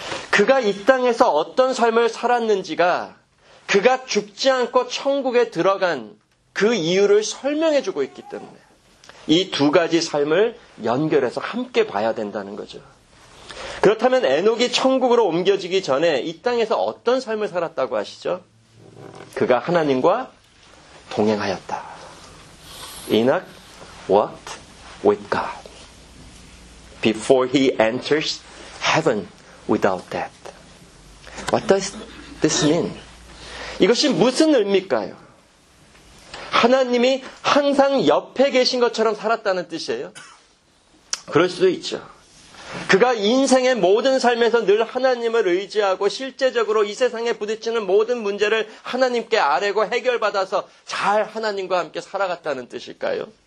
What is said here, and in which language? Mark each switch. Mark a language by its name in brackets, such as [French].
[Korean] 그가 이 땅에서 어떤 삶을 살았는지가 그가 죽지 않고 천국에 들어간 그 이유를 설명해주고 있기 때문에 이 두 가지 삶을 연결해서 함께 봐야 된다는 거죠. 그렇다면 에녹이 천국으로 옮겨지기 전에 이 땅에서 어떤 삶을 살았다고 아시죠? 그가 하나님과 동행하였다. [English] Enoch walked with God before he enters heaven without death. What does this mean? [Korean] 이것이 무슨 의미일까요? 하나님이 항상 옆에 계신 것처럼 살았다는 뜻이에요? 그럴 수도 있죠. 그가 인생의 모든 삶에서 늘 하나님을 의지하고 실제적으로 이 세상에 부딪히는 모든 문제를 하나님께 아뢰고 해결받아서 잘 하나님과 함께 살아갔다는 뜻일까요?